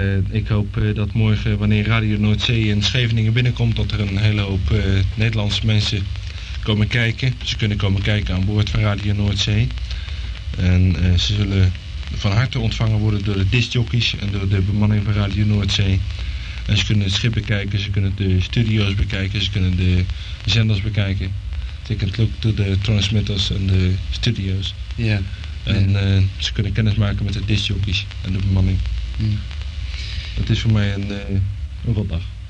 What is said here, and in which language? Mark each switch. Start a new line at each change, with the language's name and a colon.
Dutch: Ik hoop dat morgen, wanneer Radio Noordzee in Scheveningen binnenkomt, dat er een hele hoop Nederlandse mensen komen kijken. Ze kunnen komen kijken aan boord van Radio Noordzee. En ze zullen van harte ontvangen worden door de discjockeys en door de bemanning van Radio Noordzee. En ze kunnen het schip bekijken, ze kunnen de studio's bekijken, ze kunnen de zenders bekijken.
English: Take a look to the transmitters and the studio's. Ja. Yeah.
Dutch: En ze kunnen kennis maken met de discjockeys en de bemanning. Het is voor mij een rotdag.